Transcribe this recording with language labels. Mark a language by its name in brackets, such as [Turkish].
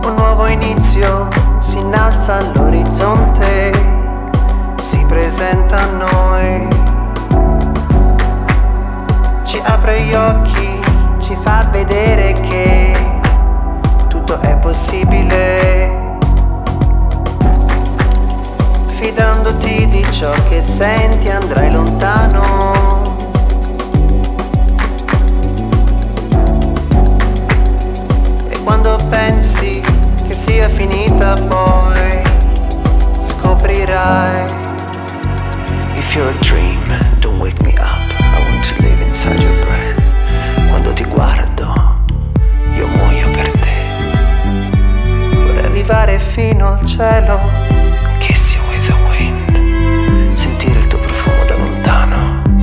[Italian] distanza l'orizzonte si presenta a noi, ci apre gli occhi, ci fa vedere che tutto è possibile, fidandoti di ciò che senti andrai lontano. Quando pensi che sia finita poi scoprirai. [English] If you're a dream, don't wake me up, I want to live inside your breath. [Italian] Quando ti guardo, io muoio per te. Vorrei arrivare fino al cielo, [English] kiss you with the wind, [Italian] sentire il tuo profumo da lontano.